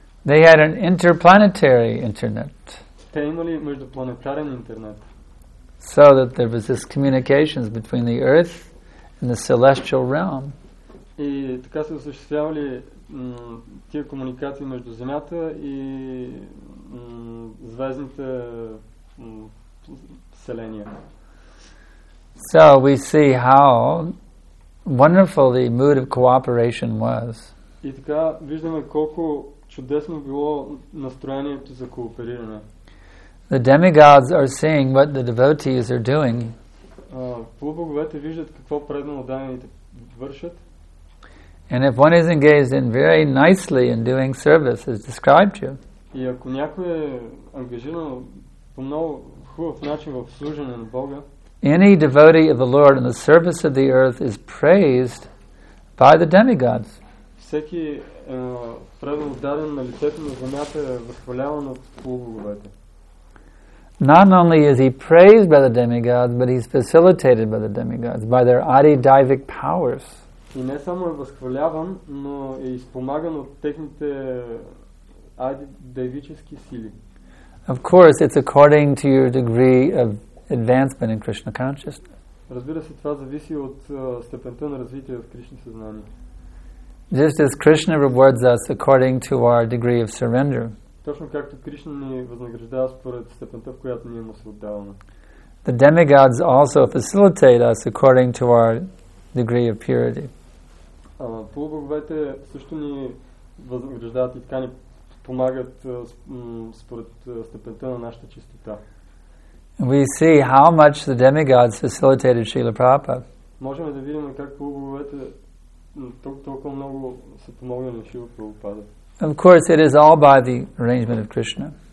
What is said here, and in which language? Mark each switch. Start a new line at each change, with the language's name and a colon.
English: they had an interplanetary internet.
Bulgarian: Те имали междупланетарен интернет.
English: So that there was this communications between the earth and the celestial realm.
Bulgarian: И така се осъществявали тия комуникации между земята и звездните вселения.
English: So we see how wonderful the mood of cooperation was.
Bulgarian: И така виждаме колко чудесно било настроението за коопериране.
English: The demigods are seeing what the devotees are doing.
Bulgarian: Полубоговете виждат какво предано даяните вършат.
English: And if one is engaged in very nicely in doing service, as described here.
Bulgarian: И ако някой е ангажиран по много хубав начин в служене на Бога.
English: Any devotee of the Lord in the service of the earth is praised by the demigods.
Bulgarian: Всеки предано даден на лицето на земята е възхваляван от полубоговете.
English: Not only is he praised by the demigods, but he's facilitated by the demigods, by their adidaivic powers.
Bulgarian: И не само е възхвалявам, но е изпомаган от техните адидаивически сили.
English: Of course, it's according to your degree of advancement in Krishna consciousness.
Bulgarian: Разбира се, това зависи от степента на развитие в Кришна съзнание.
English: Just as Krishna rewards us according to our degree of surrender.
Bulgarian: Точно както Кришна ни възнаграждава според степента, в която ние му се отдаваме.
English: The demigods also facilitate us according to our degree of purity.
Bulgarian: Полубоговете също ни възнаграждават и така ни помагат според степента на нашата чистота.
English: We see how much the demigods facilitated Srila Prabhupada.
Bulgarian: Можем да видим как боговете толкова много са помогнали на Шрила Прабхупада.
English: Of course, it is all by the arrangement of Krishna.